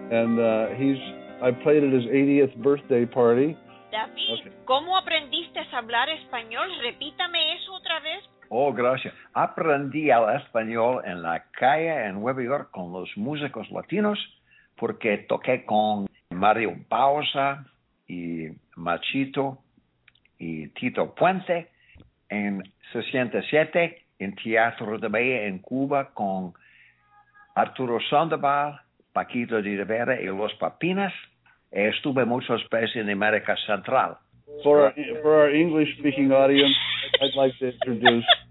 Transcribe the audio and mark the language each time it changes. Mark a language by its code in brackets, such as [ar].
[en] And I played at his 80th birthday party. David, okay. [es] ¿Cómo aprendiste a hablar español? Repítame eso otra vez. Oh, gracias. Aprendí el español en la calle en Nueva York con los músicos latinos porque toqué con Mario Bausa y Machito y Tito Puente en 67 en Teatro de Bahía en Cuba con Arturo Sandoval, Paquito de Rivera y Los Papinas. Estuve muchas veces en América Central. [en] For our English-speaking audience, I'd like to introduce...